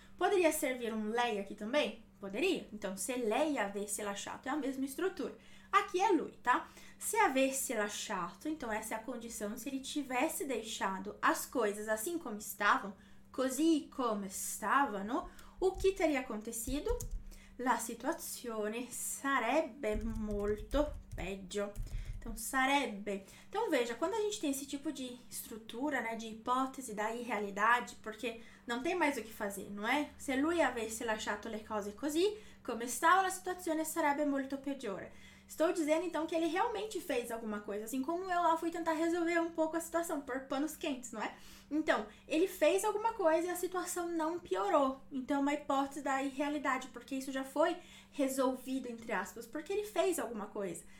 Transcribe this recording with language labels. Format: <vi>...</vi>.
<pt>Poderia servir um lei aqui também? Poderia. Então, se</pt> <it>lei avesse lasciato,</it> <pt>é a mesma estrutura. Aqui é lui, tá?</pt> <it>Se avesse lasciato,</it> <pt>então essa é a condição, se ele tivesse deixado as coisas assim como estavam,</pt> <it>così come stavano,</it> <pt>o que teria acontecido?</pt> <it>La situazione sarebbe molto peggio.</it> <pt>Então, sarebbe. Então, veja, quando a gente tem esse tipo de estrutura, né, de ipótese da irrealidade, porque não tem mais o que fazer, não é?</pt> <it>Se lui avesse lasciato le cose così, come stava, la situazione sarebbe molto peggiore.</it> <pt>Estou dizendo então que ele realmente fez alguma coisa, assim como eu lá fui tentar resolver um pouco a situação, pôr panos quentes, não é? Então, ele fez alguma coisa e a situação não piorou. Então, é uma hipótese da irrealidade, porque isso já foi resolvido, entre aspas, porque ele fez alguma coisa.</pt>